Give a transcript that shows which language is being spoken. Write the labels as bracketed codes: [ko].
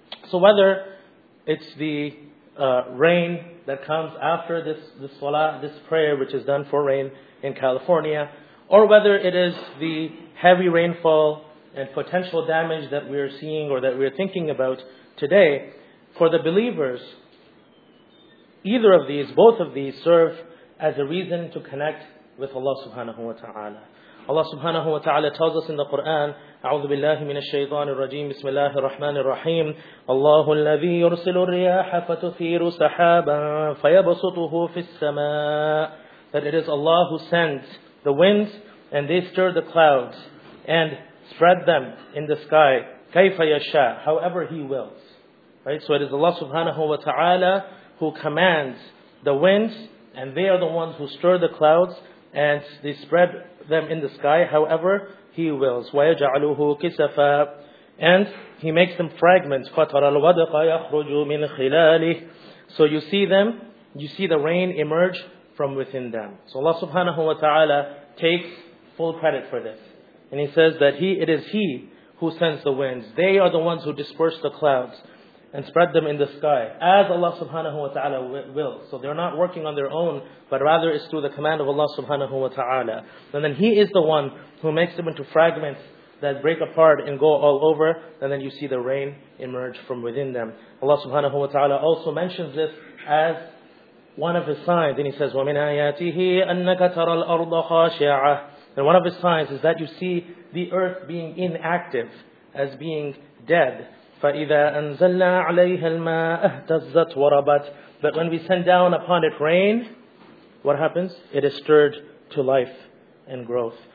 [en] So whether it's the rain that comes after this salah, this prayer, which is done for rain in California, or whether it is the heavy rainfall and potential damage that we are seeing or that we are thinking about today, for the believers, either of these, both of these, serve as a reason to connect with Allah subhanahu wa ta'ala. Allah subhanahu wa ta'ala tells us in the Quran, [ar] أعوذ بالله من الشيطان الرجيم بسم الله الرحمن الرحيم الله الذي يرسل الرياح فتثير سحابا فيبسطه في السماء. [en] That it is Allah who sends the winds and they stir the clouds and spread them in the sky. [ar] كيف يشاء, [en] however He wills. Right? So it is Allah subhanahu wa ta'ala who commands the winds, and they are the ones who stir the clouds and they spread them in the sky however He wills. [ar] وَيَجْعَلُهُ كِسَفًا, [en] and He makes them fragments. [ar] فَتَرَى الْوَدْقَ يَخْرُجُ مِنْ خِلَالِهِ, [en] so you see them, you see the rain emerge from within them. So Allah subhanahu wa ta'ala takes full credit for this. And He says that it is He who sends the winds. They are the ones who disperse the clouds and spread them in the sky, as Allah subhanahu wa ta'ala will. So they're not working on their own, but rather it's through the command of Allah subhanahu wa ta'ala. And then He is the one who makes them into fragments that break apart and go all over, and then you see the rain emerge from within them. Allah subhanahu wa ta'ala also mentions this as one of His signs. And He says, [ar] وَمِنْ آيَاتِهِ أَنَّكَ تَرَى الْأَرْضَ خَاشِعَةً. [en] And one of His signs is that you see the earth being inactive, as being dead. [ar] فَإِذَا أَنزَلْنَا عَلَيْهَا الْمَاءَ اهْتَزَّتْ وَرَبَتْ. [en] But when we send down upon it rain, what happens? It is stirred to life and growth.